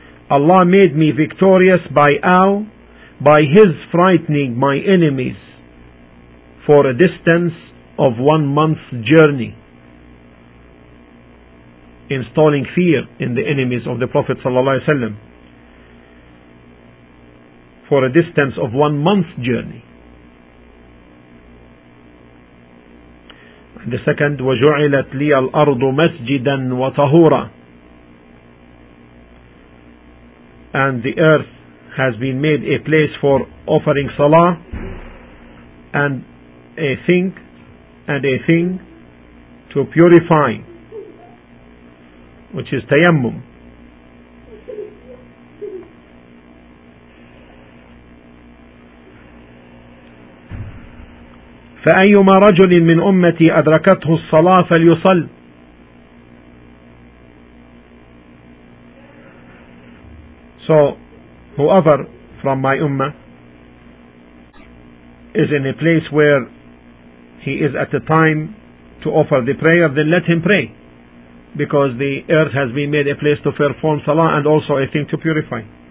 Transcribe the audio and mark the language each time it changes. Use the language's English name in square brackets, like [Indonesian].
[English] Allah made me victorious by His frightening my enemies for a distance of 1 month's journey, installing fear in the enemies of the Prophet ﷺ for a distance of 1 month's journey. And the second, [Arabic] وَجُعِلَتْ لِيَ الْأَرْضُ مَسْجِدًا وَطَهُورًا. [English] And the earth has been made a place for offering salah, and a thing to purify which is tayammum. [Arabic] فأيما رجل من أمتي أدركته الصلاة فليصل. [English] So whoever from my ummah is in a place where he is at the time to offer the prayer, then let him pray, because the earth has been made a place to perform salah and also a thing to purify.